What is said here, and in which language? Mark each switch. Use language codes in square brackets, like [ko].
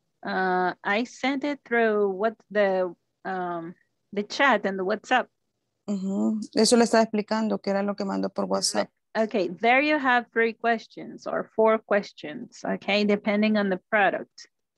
[en] I sent it through what the chat and the WhatsApp. Uh-huh. [es] Eso le estaba explicando que era lo que mandó por WhatsApp. [en] Okay, there you have three questions or four questions, okay, depending on the product.